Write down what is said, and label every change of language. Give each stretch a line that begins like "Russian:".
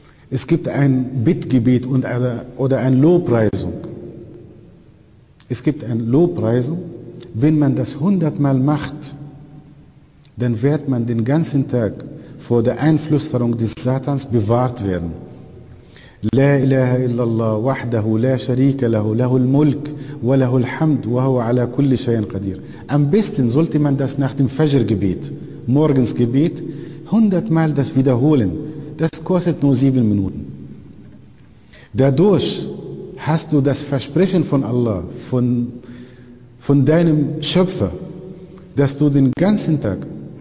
German: Es gibt ein Bittgebet oder eine Lobpreisung. Es gibt eine Lobpreisung. Wenn man das 100-mal macht, dann wird man den ganzen Tag vor der Einflüsterung des Satans bewahrt werden.
Arabic: لا إله إلا الله وحده لا شريك له له الملك وله الحمد وهو على كل شيء قدير.
German: Am besten sollte man das nach dem Fajr-Gebet, morgens Gebet, 100-mal das wiederholen. Das kostet nur 7 Minuten. Dadurch hast du das Versprechen von Allah, von deinem Schöpfer, dass du den ganzen Tag vor der Einflüsterung des Satans bewahrt wirst.